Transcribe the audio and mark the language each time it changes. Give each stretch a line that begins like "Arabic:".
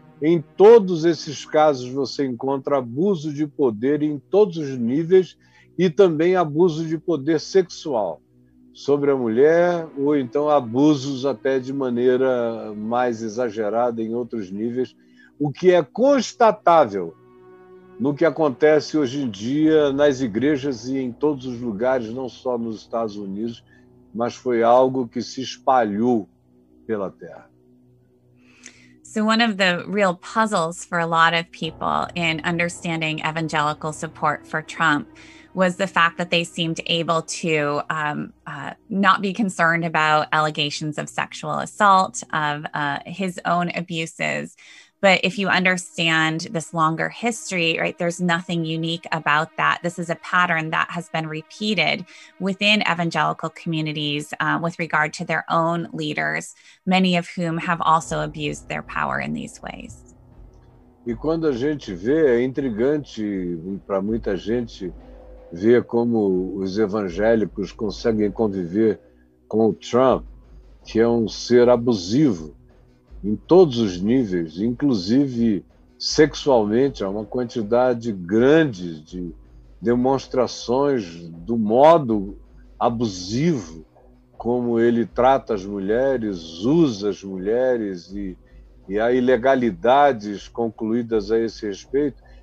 Portuguese: Em todos esses casos, você encontra abuso de poder em todos os níveis e também abuso de poder sexual sobre a mulher ou então abusos até de maneira mais exagerada em outros níveis, o que é constatável no que acontece hoje em dia nas igrejas e em todos os lugares, não só nos Estados Unidos, mas foi algo que se espalhou pela terra.
English: So one of the real puzzles for a lot of people in understanding evangelical support for Trump was the fact that they seemed able to not be concerned about allegations of sexual assault, of his own abuses. But if you understand this longer history, right, there's nothing unique about that. This is a pattern that has been repeated within evangelical communities with regard to their own leaders, many of whom have also abused their power in these ways.
Portuguese: E quando a gente vê, é intrigante para muita gente ver como os evangélicos conseguem conviver com o Trump, que é um ser abusivo em todos os níveis, inclusive sexualmente. Há uma quantidade grande de demonstrações do modo abusivo como ele trata as mulheres, usa as mulheres e há ilegalidades concluídas a esse respeito.